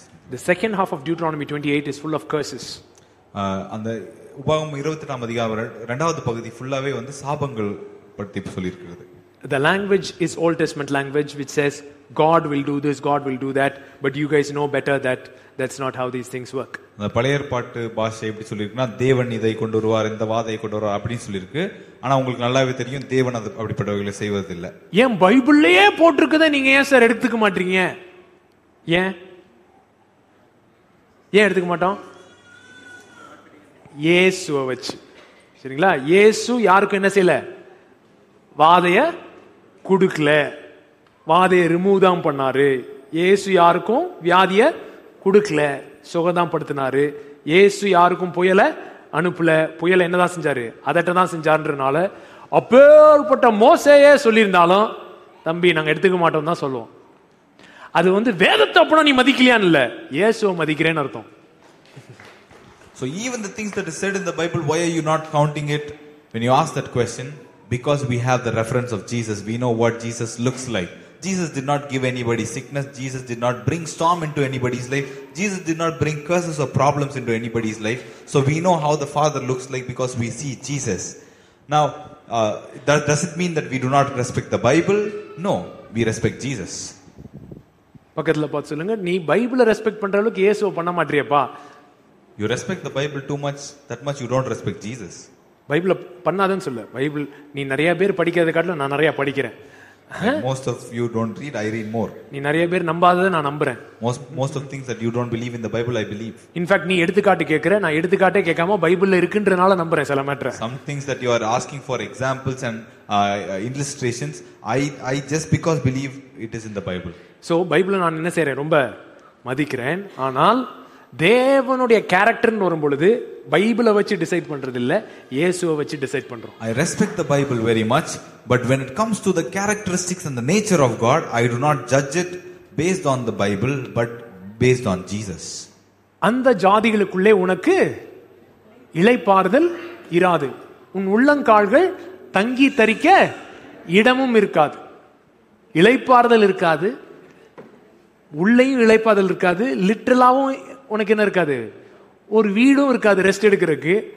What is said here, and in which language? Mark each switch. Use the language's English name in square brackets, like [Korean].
[English] The second half of Deuteronomy 28 is full of curses. [Tamil] அந்த உபாகம் 28 ஆம் அதிகாரம் இரண்டாவது பகுதி ஃபுல்லாவே வந்து சாபங்கள் பத்தி சொல்லியிருக்கிறது. [English] The language is Old Testament language which says God will do this, God will do that, but you guys know better that that's not how these things work. [Tamil] அந்த பழைய ஏற்பாட்டு பாஷை எப்படி சொல்லியிருக்குன்னா, தேவன் இதை கொண்டு வருவார், இந்த வாதையை கொண்டு வருவார் அப்படின்னு சொல்லியிருக்கு. ஆனா உங்களுக்கு நல்லாவே தெரியும், தேவன் அது அப்படிப்பட்டவர்களை செய்வதில்லை. ஏன் பைபிள்லயே போட்டிருக்கத நீங்க ஏன் சார் எடுத்துக்க மாட்டீங்க? ஏன் எடுத்துக்க மாட்டோம்? இயேசுவை வச்சு சரிங்களா. இயேசு யாருக்கும் என்ன செய்யல, வாதைய கொடுக்கல, வாதையை ரிமூவ் தான் பண்ணாரு. இயேசு யாருக்கும் வியாதிய கொடுக்கல, சுகதான் படுத்தினாரு. இயேசு யாருக்கும் புயல அனுப்பல, புயல என்னதான் செஞ்சாரு, அதட்டதான் செஞ்சாருன்றனால அப்பேற்பட்ட மோசேயே சொல்லியிருந்தாலும் தம்பி நாங்க எடுத்துக்க மாட்டோம் தான் சொல்லுவோம். அது வந்து வேதத்தை அப்படின் நீ மதிக்கலையான்னு இல்ல, இயேசுவை மதிக்கிறேன்னு அர்த்தம். [English] So even the things that is said in the Bible, why are you not counting it when you ask that question? Because we have the reference of Jesus. We know what Jesus looks like. Jesus did not give anybody sickness. Jesus did not bring storm into anybody's life. Jesus did not bring curses or problems into anybody's life. So we know how the Father looks like because we see Jesus. Now, does it mean that we do not respect the Bible? No, we respect Jesus. [Tamil] பக்கத்துல பாத்து சொல்லுங்க, நீ பைபிளை respect பண்ற அளவுக்கு இயேசுவை பண்ண மாட்டறியப்பா. [English] You respect the Bible too much, that much you don't respect Jesus. [Tamil] பைபிள பண்ணாதன்னு சொல்ல, பைபிள் நீ நிறைய பேர் படிக்காத காட்டல, நான் நிறைய படிக்கிறேன். [English] Most of you don't read, I read more. [Tamil] நீ நிறைய பேர் நம்பாததை நான் நம்புறேன். [English] Most of things that you don't believe in the Bible, I believe. In fact, [Tamil] நீ எடுத்து காட்டு கேக்குற, நான் எடுத்து காட்டே கேட்காம பைபிள்ல இருக்குன்றனால நம்புறேன் சில matter. [English] Some things that you are asking for examples and illustrations, I just because believe it is in the Bible. [Tamil] So பைபிள நான் என்ன செய்றேன், ரொம்ப மதிக்கிறேன். ஆனால் தேவனுடைய கேரக்டர் வரும்பொழுது பைபிளை வச்சு டிசைட் பண்றது இல்ல, இயேசுவை வச்சு டிசைட் பண்றோம். [English] I respect the Bible very much, but when it comes to the characteristics and the nature of God, I do not judge it based on the Bible, but based on Jesus. [Tamil] அந்த ஜாதிகளுக்குள்ளே உனக்கு இளைப்பாறுதல் இராது, உன் உள்ளங்கால்கள் தங்கி தரிக்க இடமும் இருக்காது. இளைப்பாறுதல் இருக்காது, உள்ளேயும் இளைப்பாறுதல் இருக்காது. லிட்டரலாவும் உனக்கு என்ன இருக்காது, ஒரு வீடும் இருக்காது ரெஸ்ட் எடுக்கிறதுக்கு.